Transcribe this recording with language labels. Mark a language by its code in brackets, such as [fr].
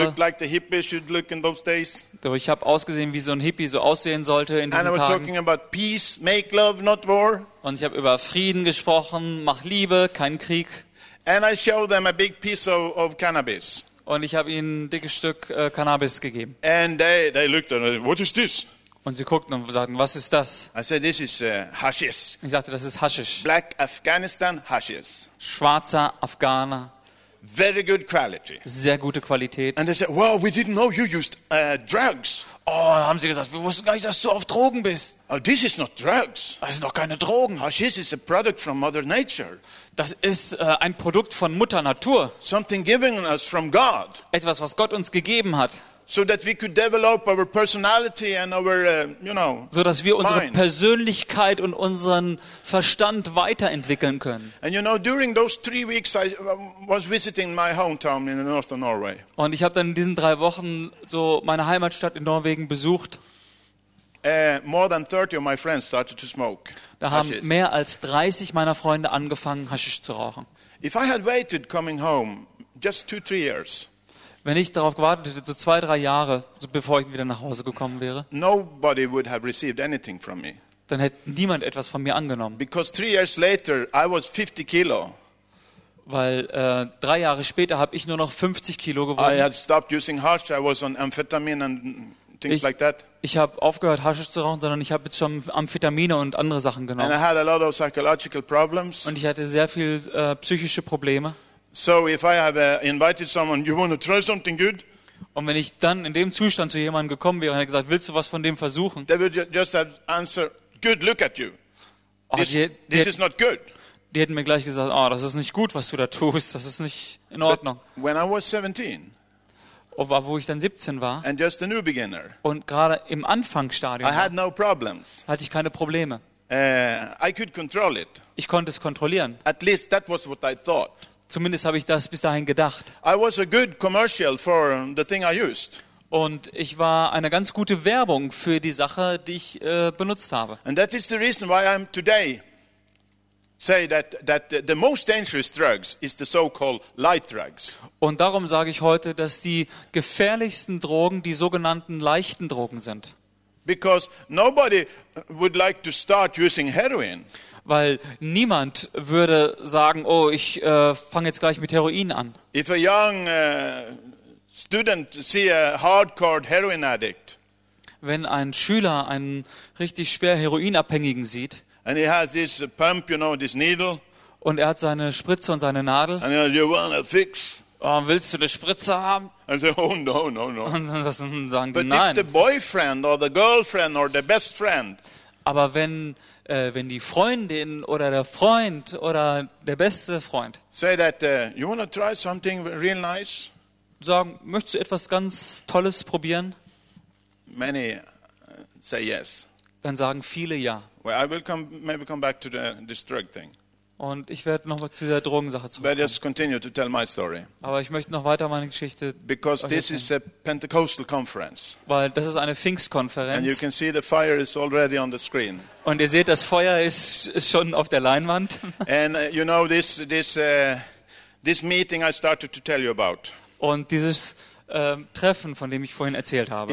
[en] Looked like the hippie should look in those days. [de] Ich habe ausgesehen, wie so ein Hippie so aussehen sollte in diesen Tagen. [en] And I was talking about peace, make love, not war. [de] Und ich habe über Frieden gesprochen, mach Liebe, keinen Krieg. [en] And I showed them a big piece of cannabis. [de] Und ich habe ihnen ein dickes Stück Cannabis gegeben. [en] And they looked and said, what is this? [de] Und sie guckten und sagten, was ist das? [en] I said, this is hashish. [de] Ich sagte, das ist Haschisch. [en] Black Afghanistan hashish. [de] Schwarzer Afghaner. [en] Very good quality. [de] Sehr gute Qualität. [en] And they said, wow, we didn't know you used drugs. [de] Oh, haben sie gesagt, wir wussten gar nicht, dass du auf Drogen bist. [en] Oh, this is not drugs. [de] Das sind doch keine Drogen. [en] Hashish is a product from Mother Nature. [de] Das ist ein Produkt von Mutter Natur. [en] Something given us from God. [de] Etwas, was Gott uns gegeben hat. [en] So that we could develop our personality and our, you know, [de] so dass wir unsere Persönlichkeit und unseren Verstand weiterentwickeln können. [en] And you know, during those 3 weeks, I was visiting my hometown in the north of Norway. [de] Und ich habe dann in diesen 3 Wochen so meine Heimatstadt in Norwegen besucht. [en] More than 30 of my friends started to smoke. [de] Da haben mehr als 30 meiner Freunde angefangen, Haschisch zu rauchen. [en] If I had waited coming home, just 2-3 years. [de] Wenn ich darauf gewartet hätte, so 2-3 Jahre, bevor ich wieder nach Hause gekommen wäre, [en] nobody would have received anything from me. [de] Dann hätte niemand etwas von mir angenommen. [en] Because 3 years later, I was 50 kilo. [de] Weil 3 Jahre später habe ich nur noch 50 Kilo gewonnen. [en] I had stopped using hash, I was on amphetamine and things like that. [de] Ich habe aufgehört, Haschisch zu rauchen, sondern ich habe jetzt schon Amphetamine und andere Sachen genommen. [en] And I had a lot of psychological problems. [de] Und ich hatte sehr viel psychische Probleme. [en] So if I have invited someone, you want to try something good? [de] Und wenn ich dann in dem Zustand zu jemandem gekommen wäre, hätte gesagt, willst du was von dem versuchen? [en] They would just have answered, good, look at you. This is not good. [de] Die hätten mir gleich gesagt, oh, das ist nicht gut, was du da tust, das ist nicht in Ordnung. [en] But when I was 17. [de] Aber wo ich dann 17 war. [en] And just a new beginner. [de] Und gerade im Anfangsstadium. [en] I had no problems. [de] Hatte ich keine Probleme. [en] I could control it. [de] Ich konnte es kontrollieren. [en] At least that was what I thought. [de] Zumindest habe ich das bis dahin gedacht. [en] I was a good commercial for the thing I used. [de] Und ich war eine ganz gute Werbung für die Sache, die ich benutzt habe. [en] And that is the reason why I'm today say that the most dangerous drugs is the so-called light drugs. [de] Und darum sage ich heute, dass die gefährlichsten Drogen die sogenannten leichten Drogen sind. [en] Because nobody would like to start using heroin. [de] Weil niemand würde sagen, oh, ich fange jetzt gleich mit Heroin an. [en] If a young student see a hardcore heroin addict, [de] wenn ein Schüler einen richtig schwer Heroinabhängigen sieht, [en] and he has this pump, you know, this needle, [de] und er hat seine Spritze und seine Nadel, [en] and he says, you wanna fix? [de] Oh, willst du eine Spritze haben? [en] I say, oh, no. [de] Und dann sagen [en] But [de] die, nein. [en] If the boyfriend or the girlfriend or the best friend, [de] aber wenn wenn die Freundin oder der Freund oder der beste Freund [en] say that, you wanna try something real nice? [de] Sagen, möchtest du etwas ganz Tolles probieren? [en] Many say yes. [de] Dann sagen viele ja. [en] Well, I will come, maybe come back to this drug thing. [de] Und ich werde noch mal zu der Drogensache zurückkommen. [en] But just continue to tell my story. [de] Aber ich möchte noch weiter meine Geschichte erzählen. [en] Because this is a Pentecostal conference. [de] Weil das ist eine Pfingstkonferenz. [en] And you can see the fire is already on the screen. [de] Und ihr seht, das Feuer ist schon auf der Leinwand. [en] And you know this meeting I started to tell you about. [de] Und dieses Treffen, von dem ich vorhin erzählt habe.